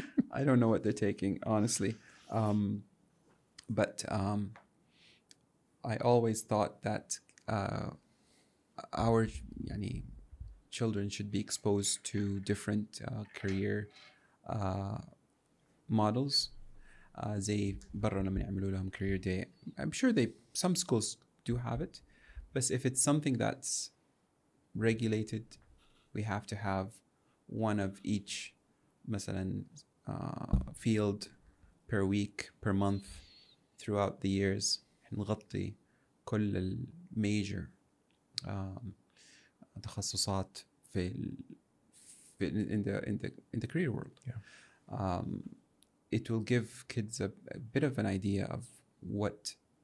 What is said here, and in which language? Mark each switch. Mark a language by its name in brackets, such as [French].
[English] I don't know what they're taking, honestly. But I always thought that our children should be exposed to different career models. [Arabic] زي برنا من يعملوا لهم [English] career day. I'm sure some schools do have it. But if it's something that's regulated, we have to have one of each, [Arabic] مثلاً, [English] field per week, per month, throughout the years. [Arabic] نغطي كل الميجر تخصصات في [English] in the career world. Yeah. It will give kids a bit of an idea of what.